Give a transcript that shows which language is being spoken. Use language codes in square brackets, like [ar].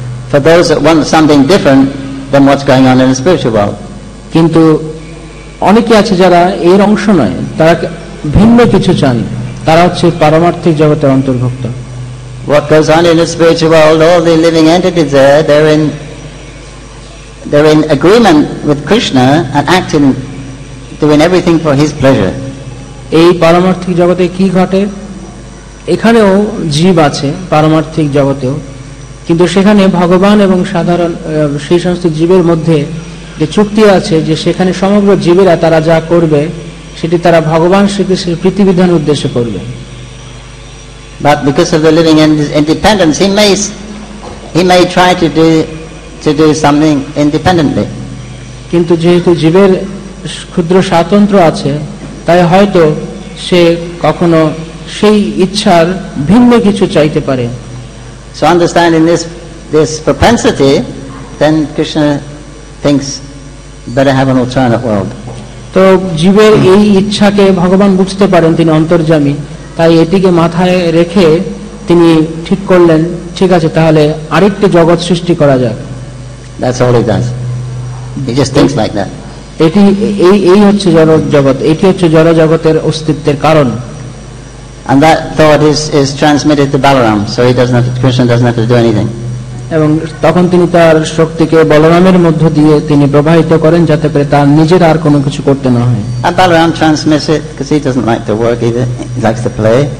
[en] For those that want something different than what's going on in the spiritual world. [bn] কিন্তু অনেকে আছে যারা এর অংশ নয়, তারা ভিন্ন কিছু চান, তারা হচ্ছে পারমার্থিক জগতের অন্তর্ভুক্ত। [en] What goes on in the spiritual world, all the living entities there, they're in agreement with Krishna and acting, doing everything for his pleasure. [bn] এই পারমার্থিক জগতে কি ঘটে? এখানেও জীব আছে পারমার্থিক জগতেও, কিন্তু সেখানে ভগবান এবং সাধারণ সেই সমস্ত জীবের মধ্যে যে চুক্তি আছে যে সেখানে সমগ্র জীবেরা তারা যা করবে সেটি তারা ভগবান শ্রীকৃষ্ণের প্রীতিবিধানের উদ্দেশ্যে করবে। [en] But because of the living independence, he may try to do something independently. [bn] কিন্তু যেহেতু জীবের ক্ষুদ্র স্বাতন্ত্র্য আছে, তাই হয়তো সে কখনো সেই ইচ্ছার ভিন্ন কিছু চাইতে পারে। [en] So understanding this propensity, then Krishna thinks better have an alternate world. [bn] তো জীবের এই ইচ্ছাকে ভগবান বুঝতে পারেন, তিনি অন্তর্যামী, তাই এটিকে মাথায় রেখে তিনি ঠিক করলেন, ঠিক আছে তাহলে আরেকটি জগৎ সৃষ্টি করা যাক। [en] That's all he does. He just thinks like that. [bn] এটি এই এই হচ্ছে জড়জগৎ, এটি হচ্ছে জড়জগতের অস্তিত্বের কারণ। [en] And that thought is transmitted to Balaram, so Krishna doesn't have to do anything. [bn] এবং তখন তিনি তার শক্তিকে বলরামের মধ্য দিয়ে তিনি প্রবাহিত করেন, যাতে করে তার নিজের আর কোনো কিছু করতে না হয়। [en] And Balaram transmits it, because he doesn't like to work either, he likes to play.